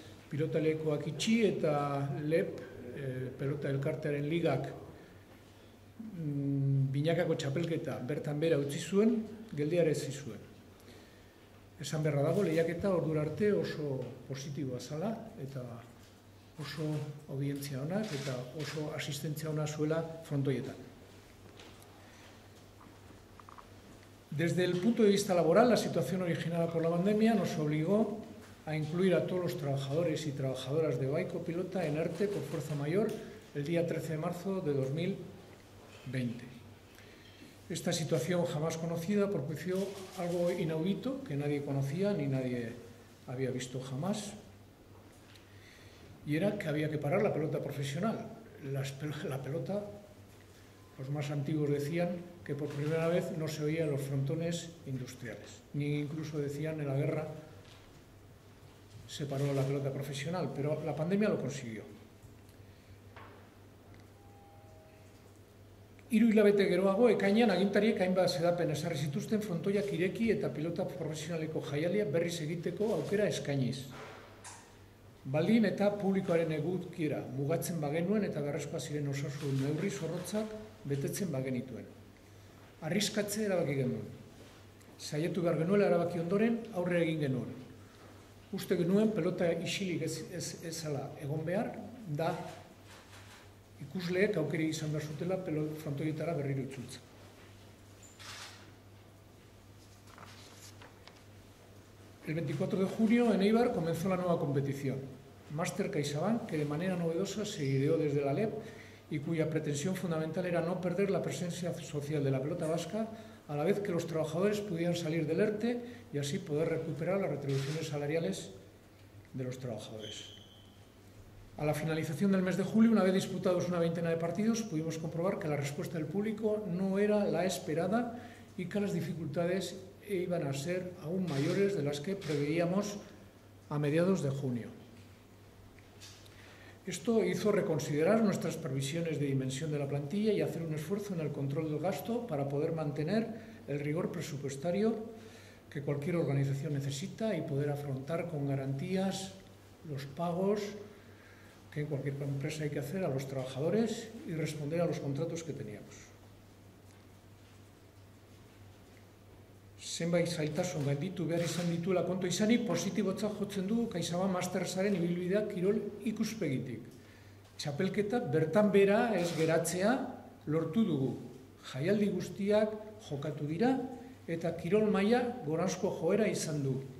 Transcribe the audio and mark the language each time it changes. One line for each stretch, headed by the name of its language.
Basque: Pilotalekoak itxi eta LEP, pelota elkartearen ligak, binakako txapelketa bertan bera utzi zuen, geldiarazi zuen. Esan beharra dago, lehiaketa ordura arte oso positiboa zala eta oso audientzia onak eta oso asistentzia ona zuela frontoietan.
Spanish: Desde el punto de vista laboral, la situación originada por la pandemia nos obligó a incluir a todos los trabajadores y trabajadoras de Baiko Pilota en ERTE por fuerza mayor el día 13 de marzo de 2020. Esta situación jamás conocida propició algo inaudito que nadie conocía ni nadie había visto jamás, y era que había que parar la pelota profesional. La pelota, los más antiguos decían que por primera vez no se oía en los frontones industriales, ni incluso decían en la guerra se paró la pelota profesional, pero la pandemia lo consiguió.
Basque: Hiru hilabete geroago, ekainean agintariek hainbat xedapen ezarri zituzten frontoiak ireki eta pilota profesionaleko jaialdia berriz egiteko aukera eskainiz. Baldin eta publikoaren egutkiera mugatzen bagenuen eta beharrezkoa ziren osasun neurri zorrotzak betetzen bagenituen. Arriskatze erabaki genuen. Saiatu behar genuela erabaki ondoren aurre egin genuen. Uste genuen pelota isilik ezala egon behar, da ikusleek aukeri izan behar zutela frontoietara berriro itzultza.
Spanish: El 24 de junio en Eibar comenzó la nueva competición, Master CaixaBank, que de manera novedosa se ideó desde la LEP y cuya pretensión fundamental era no perder la presencia social de la pelota vasca a la vez que los trabajadores pudieran salir del ERTE y así poder recuperar las retribuciones salariales de los trabajadores. A la finalización del mes de julio, una vez disputados una veintena de partidos, pudimos comprobar que la respuesta del público no era la esperada y que las dificultades iban a ser aún mayores de las que preveíamos a mediados de junio. Esto hizo reconsiderar nuestras previsiones de dimensión de la plantilla y hacer un esfuerzo en el control del gasto para poder mantener el rigor presupuestario que cualquier organización necesita y poder afrontar con garantías los pagos que en cualquier empresa hay que hacer a los trabajadores y responder a los contratos que teníamos.
Basque: Zenbait zailtasun gainditu behar izan dituela kontu izanik, positibotzat jotzen du CaixaBank Mastersaren ibilbidea kirol ikuspegitik. Txapelketa bertan bera ez geratzea lortu dugu. Jaialdi guztiak jokatu dira eta kirol maila goranzko joera izan du.